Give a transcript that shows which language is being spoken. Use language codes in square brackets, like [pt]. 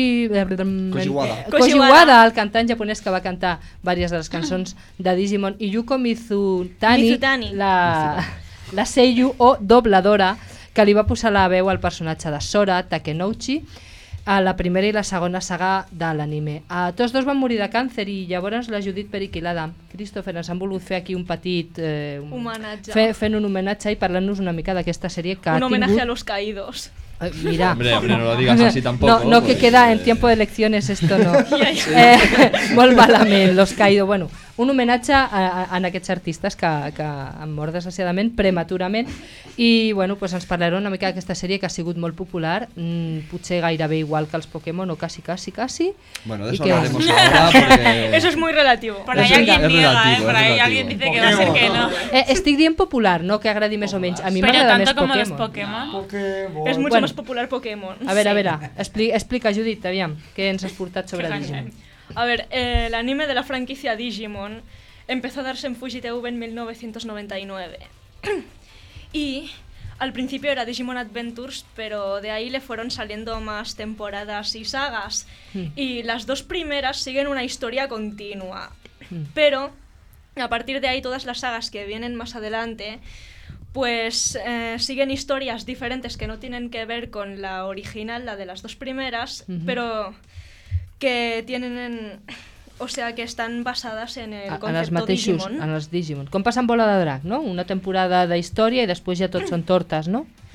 [ca] Koji Wada, el cantant japonès que va cantar diverses de les cançons de Digimon, i Yuko Mizutani, la seiyuu o dobladora que li va posar la veu al personatge de Sora Takenouchi a la primera i la segona saga de l'anime. Tots dos van morir de càncer i llavors la Judith Perich i l'Adam Christopher ens han volgut fer aquí un petit homenatge, fent un homenatge i parlant-nos una mica d'aquesta sèrie que un homenatge tingut... [es] a los caídos. Mira, hombre, no lo digas así tampoco. No pues, que queda en tiempo de lecciones esto, no. [ca] Molt malament, [es] los caídos. [ca] Bueno, un homenatge a aquests artistes que han mort desgraciadament prematurament i bueno, pues ens parlarà una mica d'aquesta sèrie que ha sigut molt popular, potser gairebé igual que els Pokémon o quasi. [es] Bueno, de eso hablaremos ahora. Eso es muy relativo. Por ahí alguien niega, por ahí alguien dice que va a ser que no. [ca] Estic dient popular, no que agradi més o menys. A mi m'agrada més Pokémon. Però [es] tanto como los Pokémon. És mucho más popular Pokémon. A ver, [ca] explica Judith, aviam, què ens has portat sobre Digimon. [es] A ver, el anime de la franquicia Digimon empezó a darse en Fuji TV en 1999. Y al principio era Digimon Adventures, pero de ahí le fueron saliendo más temporadas y sagas. Y las dos primeras siguen una historia continua. Pero a partir de ahí todas las sagas que vienen más adelante pues siguen historias diferentes que no tienen que ver con la original, la de las dos primeras, pero que tienen, o sea, que están basadas en el concepto [ca] en mateixos, Digimon. En els Digimon. Com passa amb Bola de Drac, no? Una temporada de història i després ja tots són tortes, no?